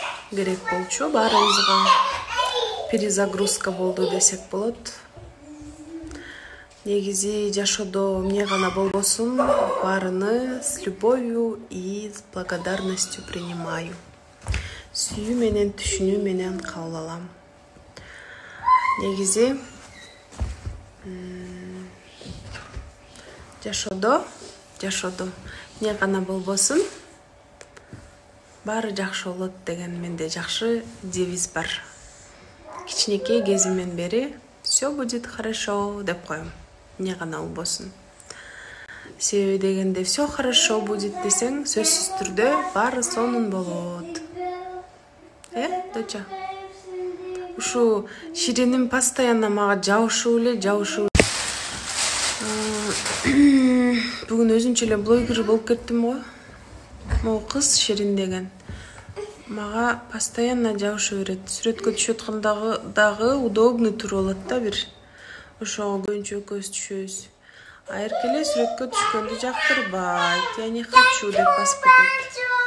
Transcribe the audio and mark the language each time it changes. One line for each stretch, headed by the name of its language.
Kyrgyz: Керек болчу барыбызга. Перезагрузка болду десек болот. Негизи жашоодо эмне гана болбосун, баарыны
Russian: с любовью и с благодарностью принимаю.
Kyrgyz: Сүйүү менен, түшүнүү менен кабыл алам. Негизи жашоодо эмне гана болбосун, баары жакшы болот деген менде жакшы девиз бар. Кичинекей кезимден бери
Russian: все будет хорошо
Kyrgyz: деп коем. Не гана болбосун. Себеби дегенде
Russian: все хорошо будет
Kyrgyz: десең, сөзсүз түрдө баары сонун болот. Доча. Ушу Ширинин постоянно мага жабышуу эле жабышуу. Бүгүн өзүнчө эле блогер болуп кеттим го. Могу кыз Ширин деген. Мага постоянно жабышуу берет. Сүрөткө түшүп аткандагы дагы удобный туруп алат да бир. Ошого көнчө көз түшөбүз. А Эркеле сүрөткө түшкөндү жактырбайт.
Russian: Я не хочу
Kyrgyz: деп басып кетет.